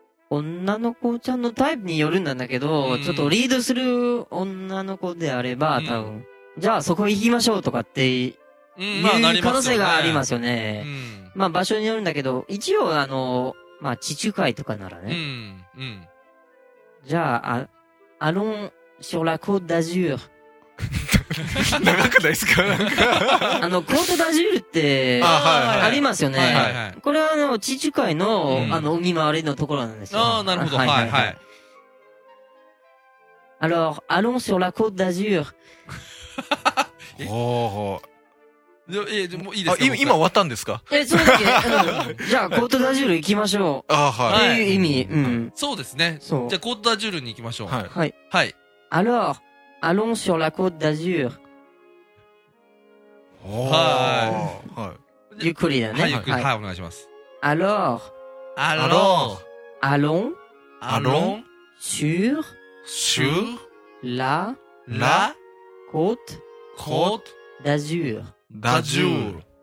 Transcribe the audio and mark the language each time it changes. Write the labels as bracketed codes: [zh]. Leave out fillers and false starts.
[ja] 女の子ちゃんのタイプによるんだけど、ちょっとリードする女の子であれば、多分、じゃあそこ行きましょうとかって、まあ、可能性がありますよね。まあ、場所によるんだけど、一応、まあ、地中海とかならね。じゃあ、 [fr] allons sur la côte d'Azur。 [ja] 長くないですか？コートダジュールって、ありますよね。これは、地中海の、海周りのところなんですよ。ああ、なるほど。はいはいはい。 [fr] alors, allons sur la côte d'Azur. ははは [ja] は。おー。もういいですか？今終わったんですか？え、そうだっけ？じゃあ、コートダジュール行きましょう。ああ、はい。っていう意味。うん。そうですね。そう。じゃあ、コートダジュールに行きましょう。はい。はい。 [fr] alors,Allons sur la côte d'Azur. [ja] はい。ゆっくりだね。はい、ゆっくり。はい、お願いします。 [fr] Alors. Alors. Allons. Allons. Sur. Sur. La. La. Côte. Côte. D'Azur. D'Azur.